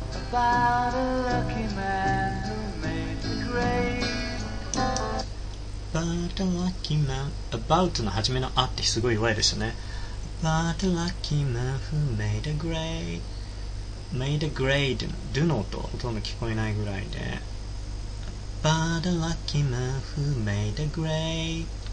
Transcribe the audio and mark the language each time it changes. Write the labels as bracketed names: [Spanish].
[English] About a lucky man who made the grade. About a lucky man. [Japanese] About の初めのあってすごい弱いですよね。 [English] About a lucky man who made a grade. Made a grade. [Japanese] Do の音はほとんど聞こえないぐらいで。 [English] About a lucky man who made a grade.